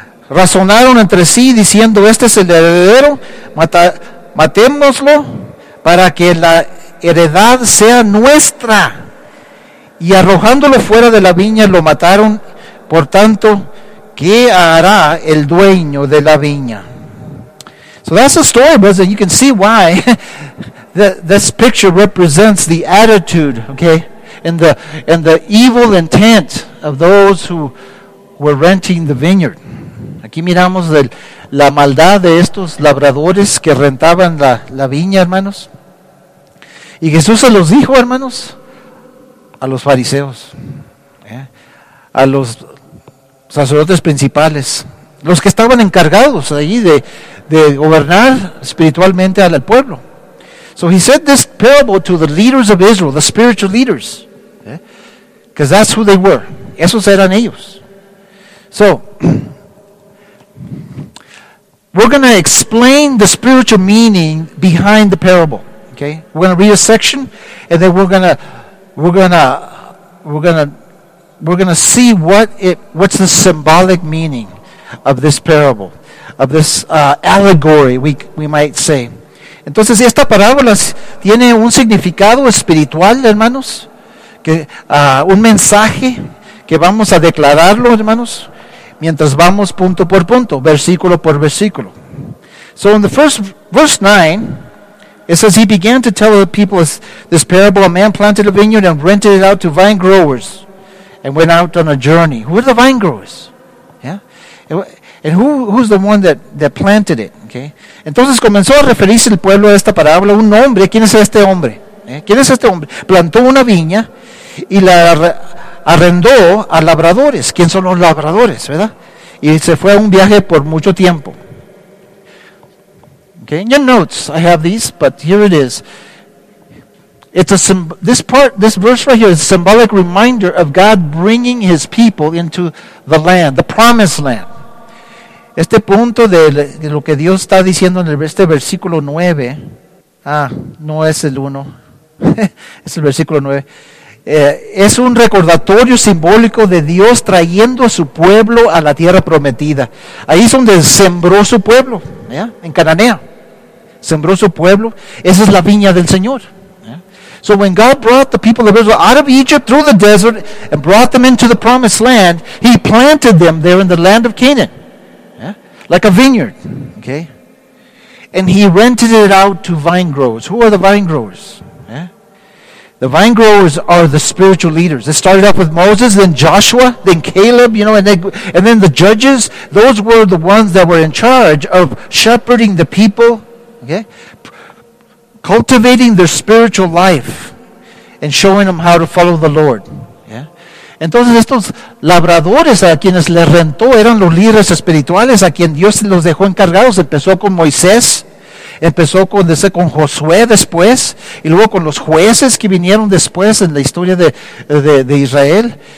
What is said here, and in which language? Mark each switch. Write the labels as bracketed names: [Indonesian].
[Spanish] Razonaron entre sí diciendo, este es el heredero, matémoslo para que la heredad sea nuestra. Y arrojándolo fuera de la viña lo mataron. Por tanto, ¿qué hará el dueño de la viña? [English] So that's the story, brothers, and you can see why this picture represents the attitude, okay, and the evil intent of those who were renting the vineyard. [Spanish] Aquí miramos la maldad de estos labradores que rentaban la viña, hermanos. Y Jesús se los dijo, hermanos, a los fariseos, a los sacerdotes principales, los que estaban encargados allí de gobernar espiritualmente al pueblo. [English] So he said this parable to the leaders of Israel, the spiritual leaders, because that's who they were. [Spanish] Esos eran ellos. [English] So we're going to explain the spiritual meaning behind the parable. Okay, we're going to read a section, and then we're going to see what's the symbolic meaning of this parable, of this allegory, we might say. [Spanish] Entonces, esta parábola tiene un significado espiritual, hermanos, que un mensaje que vamos a declararlo, hermanos, mientras vamos punto por punto, versículo por versículo. [English] So in the first verse 9, it says, he began to tell the people this parable. A man planted a vineyard and rented it out to vine growers and went out on a journey. Who are the vine growers? Yeah? And who's the one that planted it? Okay? [Spanish] Entonces comenzó a referirse el pueblo a esta parábola. Un hombre, ¿quién es este hombre? ¿Eh? ¿Quién es este hombre? Plantó una viña y la arrendó a labradores. ¿Quién son los labradores? ¿Verdad? Y se fue a un viaje por mucho tiempo. [English] Okay, in your notes, I have these, but here it is. This verse right here is a symbolic reminder of God bringing His people into the land, the promised land. [Spanish] Este punto de lo que Dios está diciendo en este versículo 9, no es el 1, es el versículo 9, es un recordatorio simbólico de Dios trayendo a su pueblo a la tierra prometida. Ahí es donde sembró su pueblo, ¿ya? En Cananea. Sembró su pueblo. Esa es la viña del Señor. [English] So when God brought the people of Israel out of Egypt through the desert and brought them into the promised land, He planted them there in the land of Canaan. Yeah? Like a vineyard. Okay? And He rented it out to vine growers. Who are the vine growers? Yeah? The vine growers are the spiritual leaders. It started off with Moses, then Joshua, then Caleb, you know, and then the judges. Those were the ones that were in charge of shepherding the people. Okay, cultivating their spiritual life and showing them how to follow the Lord. Yeah? [Spanish] Entonces estos labradores a quienes les rentó eran los líderes espirituales a quien Dios los dejó encargados. Empezó con Moisés, empezó con Josué después, y luego con los jueces que vinieron después en la historia de Israel.